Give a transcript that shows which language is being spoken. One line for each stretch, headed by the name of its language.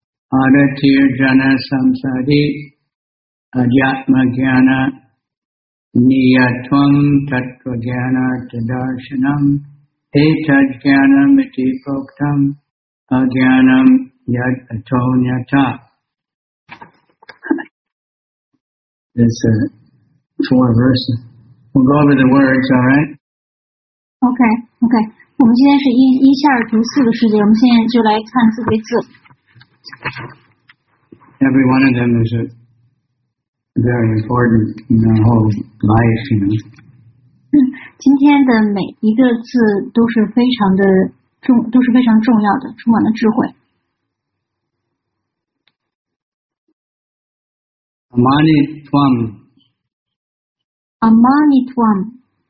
Sanskrit: Aratir Jana Samsadi Ajatma Jnana Niyatvam Tattva Jnana Tadarshanam Etaj Jnana Miti Proktam Ajnanam Yad Atonyata.
English: It's four verses. We'll go over the words, all right? Okay.
Chinese: 我们今天是一下读四个世界，我们现在就来看四个字。
English: Every one of them is very important in our whole life, you know.
Chinese: 今天的每一个字都是非常的重，都是非常重要的，充满了智慧。
Sanskrit: Amanitvam. Amanitvam.